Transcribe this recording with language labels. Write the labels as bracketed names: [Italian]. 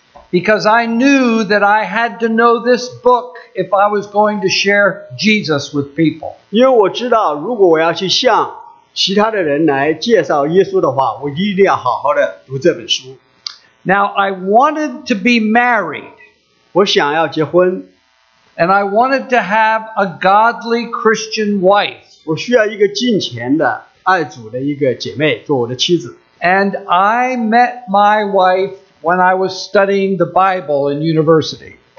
[English] Because I knew that I had to know this book if I was going to share Jesus with people. [Chinese] 因为我知道如果我要去向 其他的人来介绍耶稣的话,我一定要好好的读这本书。 [English] Now, I wanted to be married. [Chinese] 我想要结婚。 [English] And I wanted to have a godly Christian wife. [Chinese] 我需要一个敬虔的,爱主的一个姐妹,做我的妻子。 [English] And I met my wife when I was studying the Bible in university.